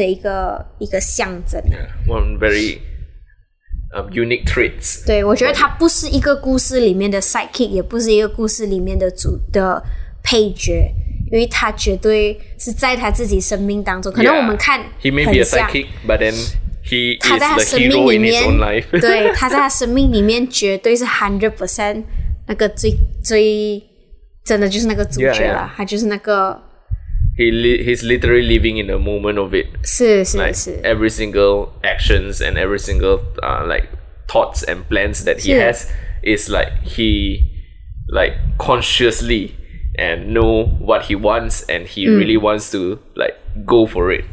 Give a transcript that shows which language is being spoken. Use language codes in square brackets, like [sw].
[zh] 所以才会有那个那一个经文就讲说，加勒所教宗所采的每一片地都是就是丰盛的，所以我觉得是一个很重要的一个生一个他生命的一个象征。 [en] One very unique traits. [zh] 对，我觉得他不是一个故事里面的sidekick， 也不是一个故事里面的主的配角。因为他绝对是在他自己生命当中， 可能我们看， [en] yeah, he may be a sidekick, but then he is the hero in his own life. [zh] 对，他在他生命里面绝对是 100% 那个最真的就是那个主角了。他就是那个， [en] he's literally living in the moment of it. [zh] 是， [en] like every single actions and every single like thoughts and plans that he has is like he like consciously and know what he wants, and he really wants to like go for it.